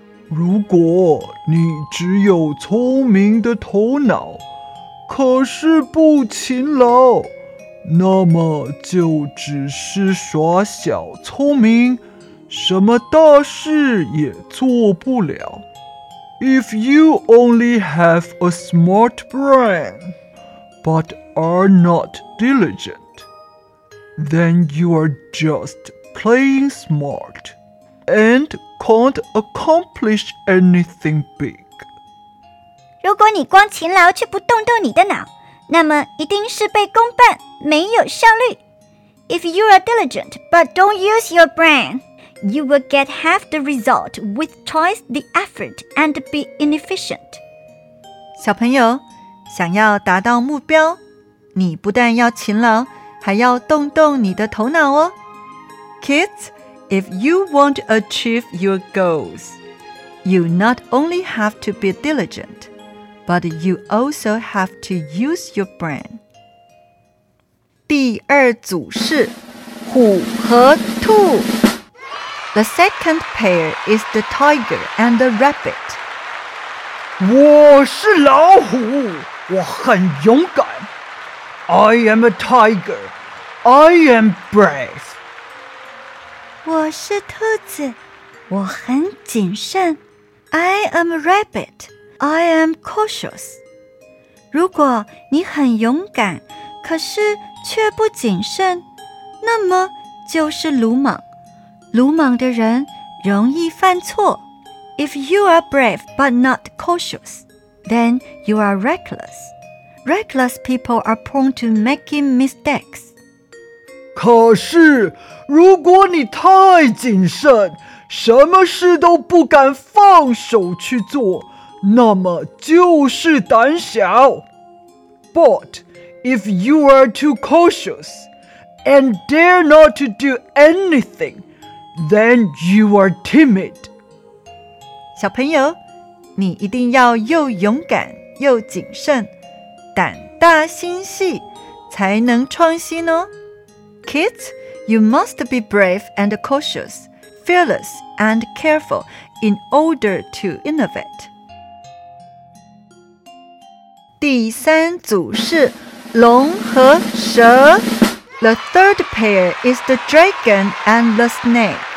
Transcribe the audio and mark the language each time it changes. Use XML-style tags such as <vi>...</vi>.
<zh>如果你只有聪明的头脑，可是不勤劳，那么就只是耍小聪明，什么大事也做不了。</zh> <en>If you only have a smart brain, but are not diligent, then you are just playing smart. And can't accomplish anything big.</en> <zh>如果你光勤劳却不动动你的脑，那么一定是被公办，没有效率。</zh> <en>If you are diligent but don't use your brain, you will get half the result with twice the effort and be inefficient.</en> <zh>小朋友，想要达到目标，你不但要勤劳，还要动动你的头脑哦。</zh> <en>Kids,If you want to achieve your goals, you not only have to be diligent, but you also have to use your brain.</en> <zh>第二组是虎和兔。</zh> <en>The second pair is the tiger and the rabbit.</en> <zh>我是老虎，我很勇敢。</zh> <en>I am a tiger. I am brave.</en> <zh>我是兔子，我很谨慎。</zh> <en>I am a rabbit. I am cautious.</en> <zh>如果你很勇敢，可是却不谨慎，那么就是鲁莽。鲁莽的人容易犯错。</zh> <en>If you are brave but not cautious, then you are reckless. Reckless people are prone to making mistakes.</en> <zh>可是如果你太谨慎，什么事都不敢放手去做，那么就是胆小。</zh> <en>But if you are too cautious and dare not to do anything, then you are timid.</en> <zh>小朋友，你一定要又勇敢又谨慎，胆大心细才能创新哦。</zh> <en>Kids, you must be brave and cautious, fearless and careful in order to innovate.</en> <zh>第三组是龙和蛇。</zh> <en>The third pair is the dragon and the snake.</en>